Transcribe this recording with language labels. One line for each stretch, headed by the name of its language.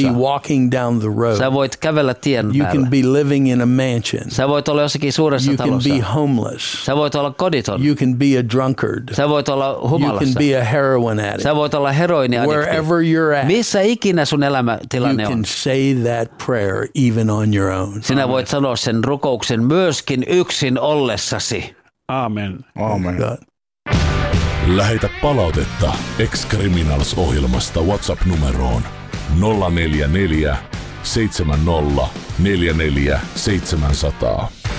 English: You can be walking down the road.
Finnish: Sä voit kävellä tien päällä.
English: You can be living in a mansion.
Finnish: Sä voit olla jossakin suuressa talossa.
English: You can be homeless.
Finnish: Sä voit olla koditon.
English: You can be a drunkard.
Finnish: Sä voit olla humalassa.
English: You can be a heroin addict.
Finnish: Sä voit olla heroini addict.
English: Wherever you're at.
Finnish: Missä ikinä sun elämäntilanne on.
English: You can say that prayer even on your own.
Finnish: Sinä voit sanoa sen rukouksen myöskin yksin ollessasi.
English: Amen.
Finnish: Amen. Lähetä palautetta X-Criminals-ohjelmasta WhatsApp-numeroon 044 70 44 700.